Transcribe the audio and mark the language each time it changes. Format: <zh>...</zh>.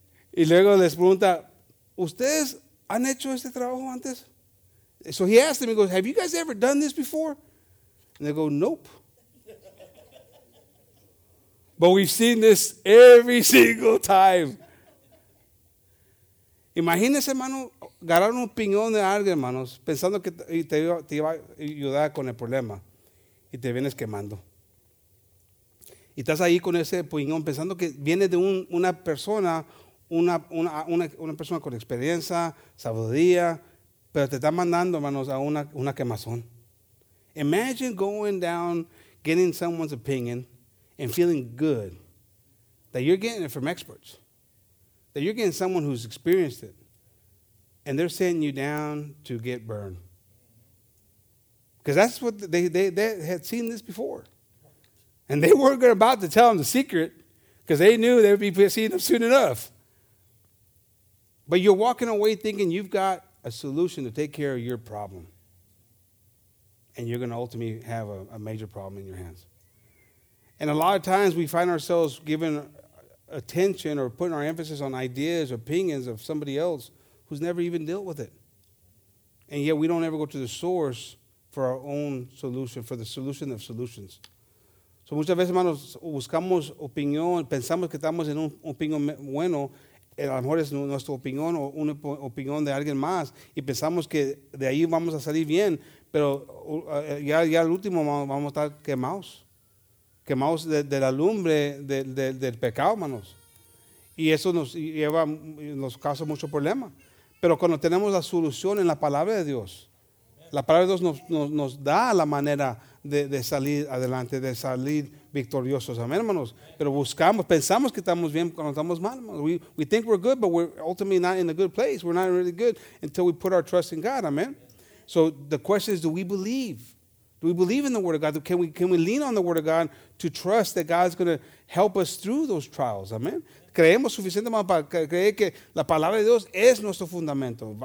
<es>Y luego les pregunta, ¿ustedes han hecho este trabajo antes?</es> <en>So he asked them, he goes, have you guys ever done this before? And they go, nope. But we've seen this every single time.</en> <es>Imagínese, hermano, agarrar un piñón de alguien, hermanos, pensando que te iba a ayudar con el problema. Y te vienes quemando. Y estás ahí con ese puñón pensando que viene de una persona, una persona con experiencia, sabiduría, pero te está mandando, hermanos, a una quemazón.</es> <en>Imagine going down, getting someone's opinion, and feeling good that you're getting it from experts, that you're getting someone who's experienced it, and they're sending you down to get burned. Because that's what they had seen this before. And they weren't about to tell them the secret because they knew they'd be seeing them soon enough. But you're walking away thinking you've got a solution to take care of your problem. And you're going to ultimately have a major problem in your hands. And a lot of times we find ourselves giving attention or putting our emphasis on ideas or opinions of somebody else who's never even dealt with it. And yet we don't ever go to the source for our own solution, for the solution of solutions.</en> <es>So muchas veces, hermanos, buscamos opinión, pensamos que estamos en un opinión bueno, a lo mejor es nuestra opinión o una opinión de alguien más, y pensamos que de ahí vamos a salir bien, pero ya al último vamos a estar quemados, quemados de la lumbre del pecado, hermanos. Y eso nos causa mucho problema. Pero cuando tenemos la solución en la palabra de Dios, la palabra de Dios nos da la manera de salir adelante, de salir victoriosos. Amén, hermanos. Pero buscamos, pensamos que estamos bien cuando estamos mal.</es> <en>We think we're good, but we're ultimately not in a good place. We're not really good until we put our trust in God. Amen. So the question is, do we believe? Do we believe in the Word of God? Can we lean on the Word of God to trust that God's going to help us through those trials? Amen.</en> <es>Creemos suficiente para creer que la palabra de Dios es nuestro fundamento.</es>